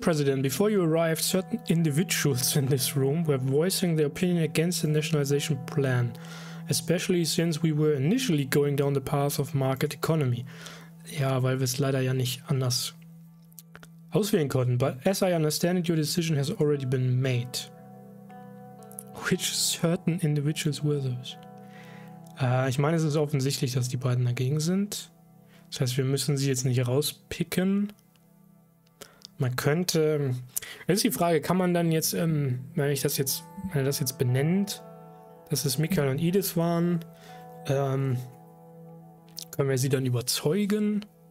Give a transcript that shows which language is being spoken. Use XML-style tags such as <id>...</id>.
<en>President, before you arrived, certain individuals in this room were voicing their opinion against the nationalization plan, especially since we were initially going down the path of market economy.</en> <de>Ja, weil wir es leider ja nicht anders auswählen konnten.</de> <en>But as I understand it, your decision has already been made. Which certain individuals were those?</en> <de>Ich meine, es ist offensichtlich, dass die beiden dagegen sind. Das heißt, wir müssen sie jetzt nicht rauspicken. Man könnte... Jetzt ist die Frage, kann man dann jetzt, wenn er das jetzt benennt, dass es Mikael und Edith waren, können wir sie dann überzeugen?</de>